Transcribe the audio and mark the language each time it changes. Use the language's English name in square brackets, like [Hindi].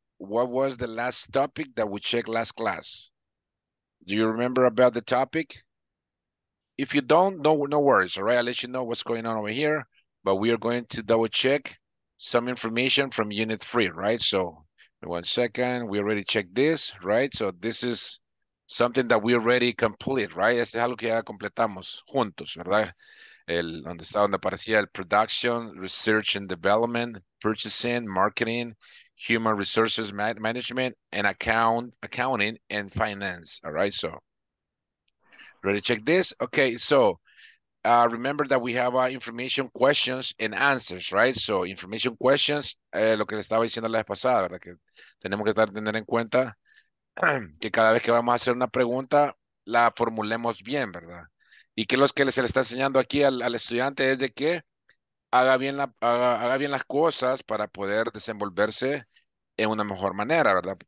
[English] What was the last topic that we checked last class? Do you remember about the topic? If you don't, no worries. All right. I'll let you know what's going on over here. But we are going to double check some information from Unit 3. Right. So. One second, we already checked this, right? So this is something that we already complete, right? [Spanish] Este es algo que ya completamos juntos, ¿verdad? Donde aparecía el [English] production, research and development, purchasing, marketing, human resources management, and accounting and finance, all right? So ready to check this? Okay, so remember that we have information questions and answers, right? So information questions, [Spanish] lo que le estaba diciendo la vez pasada, ¿verdad? Que tenemos que tener en cuenta que cada vez que vamos a hacer una pregunta, la formulemos bien, ¿verdad? Y que lo que se le está enseñando aquí al estudiante es de que haga bien las cosas para poder desenvolverse en una mejor manera, ¿verdad?